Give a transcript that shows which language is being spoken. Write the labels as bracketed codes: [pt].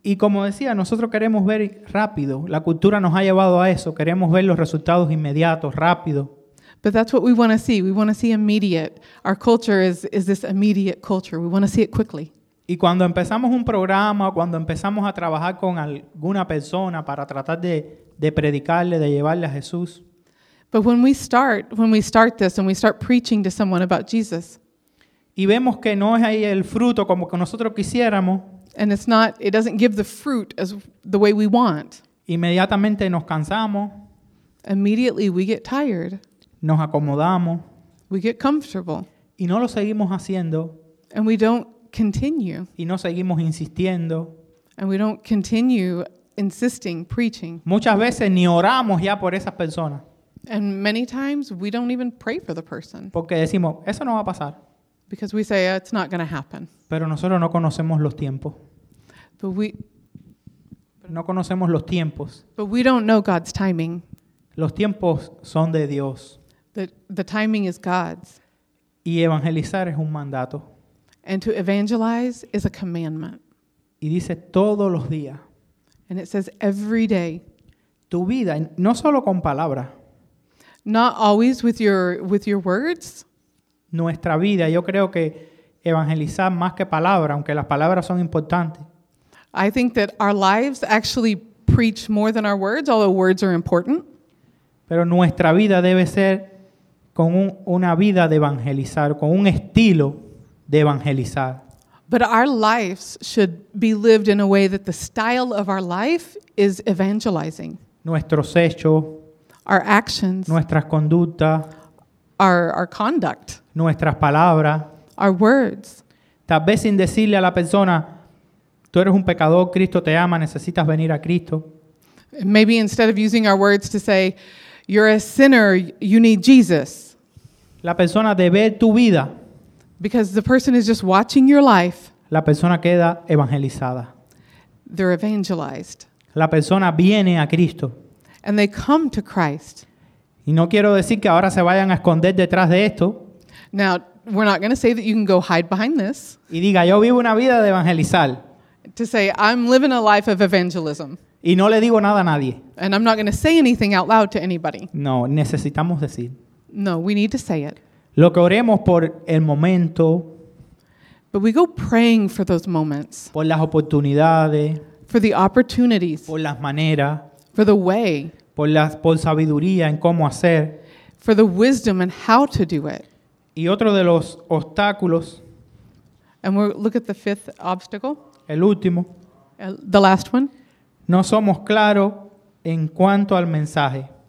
[es] Y como decía, nosotros queremos ver rápido. La cultura nos ha llevado a eso. Queremos ver los resultados inmediatos, rápido. [en] But that's what we want to see. We want to see immediate. Our culture is this immediate culture. We want to see it quickly. [es] Y cuando empezamos un programa, cuando empezamos a trabajar con alguna persona para tratar de predicarle, de llevarle a Jesús. [en] But when we start this and we start preaching to someone about Jesus. [es] Y vemos que no es ahí el fruto como que nosotros quisiéramos. [en] And it's not, it doesn't give the fruit as the way we want. [es] Inmediatamente nos cansamos. [en] Immediately we get tired. [es] Nos acomodamos. [en] We get comfortable. [es] Y no lo seguimos haciendo. [en] And we don't continue. [es] Y no seguimos insistiendo. [en] And we don't continue insisting, preaching. [es] Muchas veces ni oramos ya por esas personas. [en] And many times we don't even pray for the person. [es] Porque decimos, eso no va a pasar. [en] Because we say it's not going to happen. [es] Pero nosotros no conocemos los tiempos. No conocemos los tiempos. [en] But we don't know God's timing. [es] Los tiempos son de Dios. [en] The timing is God's. [es] Y evangelizar es un mandato. [en] And to evangelize is a commandment. [es] Y dice todos los días. [en] And it says every day. [es] Tu vida, no solo con palabras. [en] Not always with your words. [es] Nuestra vida, yo creo que evangelizar más que palabra, aunque las palabras son importantes. [en] I think that our lives actually preach more than our words, although words are important. [es] Pero nuestra vida debe ser con una vida de evangelizar, con un estilo de evangelizar. [en] But our lives should be lived in a way that the style of our life is evangelizing. [es] Nuestros hechos. [en] Our actions. [es] Nuestras conductas. [en] Our conduct. [es] Nuestras palabras. [en] Our words. [es] Tal vez sin decirle a la persona, tú eres un pecador, Cristo te ama, necesitas venir a Cristo. [en] Maybe instead of using our words to say, you're a sinner, you need Jesus. [es] La persona de ver tu vida. [en] Because the person is just watching your life. [es] La persona queda evangelizada. [en] They're evangelized. [es] La persona viene a Cristo. [en] And they come to Christ. [es] Y no quiero decir que ahora se vayan a esconder detrás de esto. [en] Now, we're not going to say that you can go hide behind this. [es] Y diga, yo vivo una vida de evangelizar. [en] To say, I'm living a life of evangelism. [es] Y no le digo nada a nadie. [en] And I'm not going to say anything out loud to anybody. [es] No, necesitamos decir. [en] No, we need to say it. [es] Lo que oremos por el momento. [en] But we go praying for those moments. [es] Por las oportunidades. [en] For the opportunities. [es] Por las maneras. [en] For the way. [es] Por sabiduría en cómo hacer. [en] For the wisdom and how to do it. [es] Y otro de los obstáculos. [en] And we'll look at the fifth obstacle. [es] El último. [en] The last one. [es] No somos claros en cuanto al mensaje.